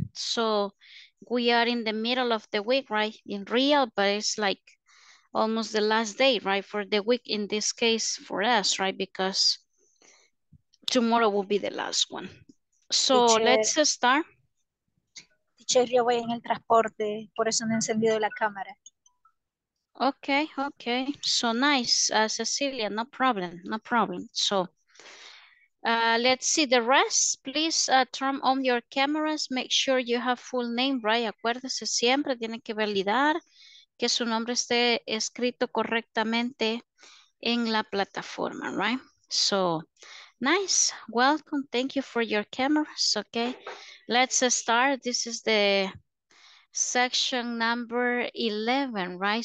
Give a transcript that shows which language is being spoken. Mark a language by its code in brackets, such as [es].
[en] So we are in the middle of the week, right? In real, but it's like almost the last day, right, for the week in this case for us, right, because tomorrow will be the last one. So Teacher, let's start. [es] yo voy en el transporte, por eso no he encendido la cámara. [en] Okay, so nice, Cecilia, no problem, no problem. So let's see the rest. Please turn on your cameras, make sure you have full name, right? [es] Acuérdese siempre, tiene que validar que su nombre esté escrito correctamente en la plataforma, right? [en] So, nice. Welcome. Thank you for your cameras. Okay. Let's start. This is the section number 11, right?